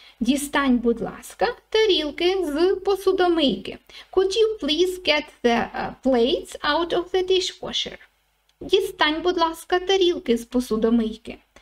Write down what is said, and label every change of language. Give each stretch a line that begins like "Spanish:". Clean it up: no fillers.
Ukrainian: Дістань, будь ласка, тарілки з посудомийки.
English: Could you please get the plates out of the dishwasher?
Ukrainian: Дістань, будь ласка, тарілки з посудомийки.